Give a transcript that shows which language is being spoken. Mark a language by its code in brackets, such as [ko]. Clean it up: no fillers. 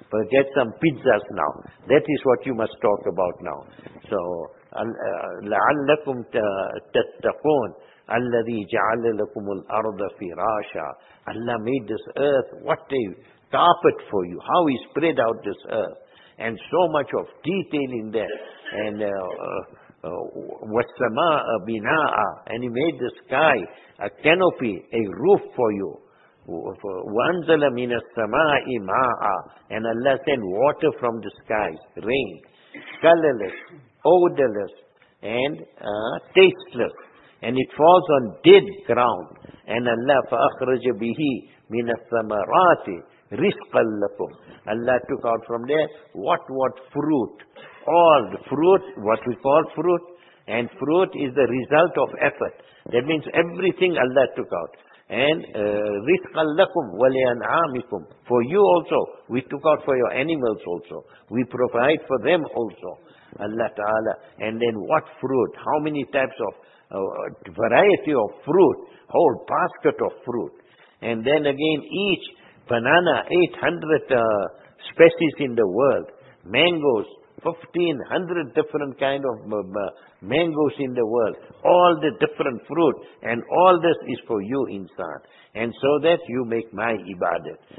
[en] Get some pizzas now. That is what you must talk about now. [ar] So, لَعَلَّكُمْ تَتَّقُونَ أَلَّذِي جَعَلَ لَكُمُ الْأَرْضَ فِرَاشًا. [en] Allah made this earth. What a carpet for you. How He spread out this earth. And so much of detail in there. [ar] And وَالسَّمَاءَ بِنَاءً. [en] And He made the sky a canopy, a roof for you. [ar] وَأَنزَلَ مِنَ السَّمَاءِ مَاءً. [en] And Allah sent water from the skies, rain, colorless, odorless, and tasteless. And it falls on dead ground. And Allah [ar] فَأَخْرَجَ بِهِ مِنَ الثَّمَرَاتِ رِزْقًا لَكُمْ. [en] Allah took out from there what fruit. all the fruit, what we call fruit, and fruit is the result of effort. That means everything Allah took out. [ar] And رِزْقَ لَكُمْ وَلِيَنْعَامِكُمْ. [en] For you also, we took out for your animals also. We provide for them also, Allah Ta'ala. And then what fruit, how many types of variety of fruit, whole basket of fruit. And then again, each banana, 800 species in the world, mangoes, 1500 different kind of mangoes in the world, all the different fruit, and all this is for you, insan, and so that you make my ibadat.